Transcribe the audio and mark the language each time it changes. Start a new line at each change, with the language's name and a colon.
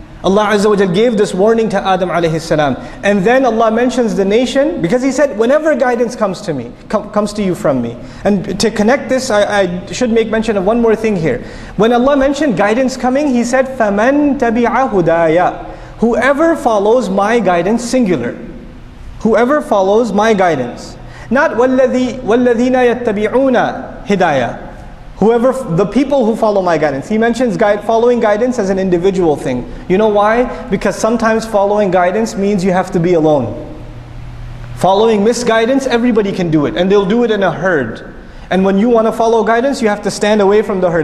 English: Allah Azza wa Jal gave this warning to Adam alayhi salam. And then Allah mentions the nation, because He said, whenever guidance comes to me, comes to you from me. And to connect this, I should make mention of one more thing here. When Allah mentioned guidance coming, He said,
Arabic: فَمَن تَبِعَ هُدَايَا.
English: Whoever follows my guidance, singular. Whoever follows my guidance.
Arabic: Not وَالَّذِينَ يَتَّبِعُونَ هِدَايَا.
English: Whoever, the people who follow my guidance. He mentions following guidance as an individual thing. You know why? Because sometimes following guidance means you have to be alone. Following misguidance, everybody can do it. And they'll do it in a herd. And when you want to follow guidance, you have to stand away from the herd.